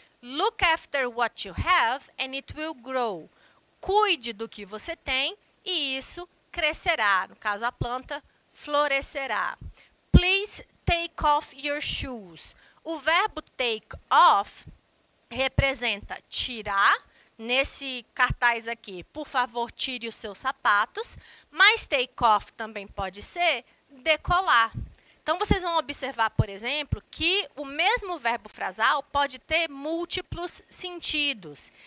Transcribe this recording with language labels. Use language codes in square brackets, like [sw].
[en] Look after what you have and it will grow. [pt] Cuide do que você tem e isso crescerá. No caso, a planta florescerá. [en] Please take off your shoes. [pt] O verbo take off representa tirar. Nesse cartaz aqui, por favor, tire os seus sapatos. Mas take off também pode ser decolar. Então, vocês vão observar, por exemplo, que o mesmo verbo frasal pode ter múltiplos sentidos.